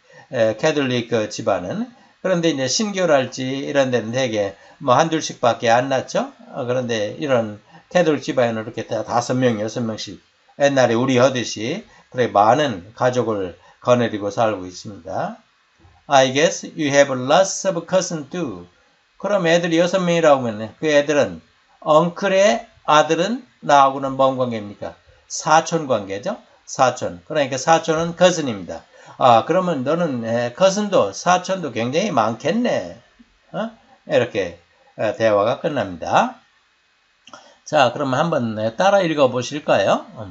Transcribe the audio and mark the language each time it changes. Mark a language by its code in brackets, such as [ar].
[ko] 캐톨릭 그 집안은. 그런데 이제 신교랄지 이런 데는 되게 뭐 한둘씩밖에 안 났죠? 그런데 이런 캐톨릭 집안은 이렇게 다섯 명, 여섯 명씩 옛날에 우리 하듯이 그래 많은 가족을 거느리고 살고 있습니다. [en] I guess you have lots of cousins too. [ko] 그럼 애들이 여섯 명이라고 하면 그 애들은 엉클의 아들은 나하고는 뭔 관계입니까? 사촌 관계죠? 사촌. 그러니까 사촌은 커슨입니다. 아, 그러면 너는 커슨도 사촌도 굉장히 많겠네. 이렇게 대화가 끝납니다. 자, 그러면 한번 따라 읽어 보실까요?